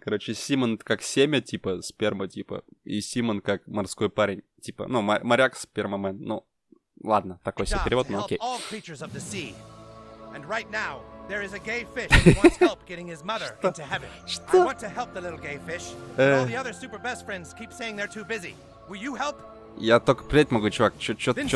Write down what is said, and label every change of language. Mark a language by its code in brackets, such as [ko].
[ru] Короче, Seaman как семя, типа, сперма, типа. И Seaman как морской парень. Типа, ну, моряк спермамен. Ну, ладно, такой себе перевод, но окей. [en] All creatures of the sea. And right now, there is a gay fish who wants help getting his mother into heaven. I want to help the little gay fish. All the other super best friends keep saying they're too busy. Will you help? [ru] Я только плеть могу, чувак. Что?